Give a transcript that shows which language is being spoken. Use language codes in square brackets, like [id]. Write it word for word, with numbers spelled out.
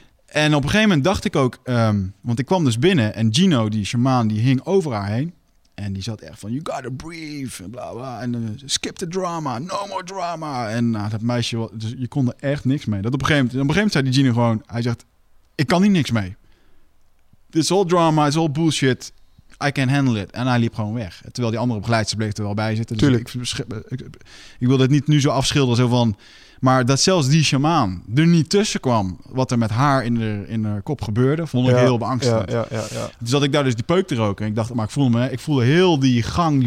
[nl] En op een gegeven moment dacht ik ook, um, want ik kwam dus binnen en Gino, die shamaan, die hing over haar heen. En die zat echt van, [en] you gotta breathe, [nl] en bla bla. En uh, [en] skip the drama, no more drama. [nl] En uh, dat meisje, dus je kon er echt niks mee. Dat op een gegeven moment, op een gegeven moment zei die Gino gewoon, hij zegt, ik kan hier niks mee. [en] It's all drama, it's all bullshit. I can handle it. [nl] En hij liep gewoon weg. Terwijl die andere begeleidster bleef er wel bij zitten. Dus Tuurlijk. Ik, ik, ik wil dit niet nu zo afschilderen, zo van... Maar dat zelfs die shamaan er niet tussen kwam... wat er met haar in de, in de kop gebeurde... vond ik ja, heel beangstigend. Ja, ja, ja, ja. Dus dat ik daar dus die peuk te roken. En ik dacht, maar ik voelde, me, ik voelde heel die gang...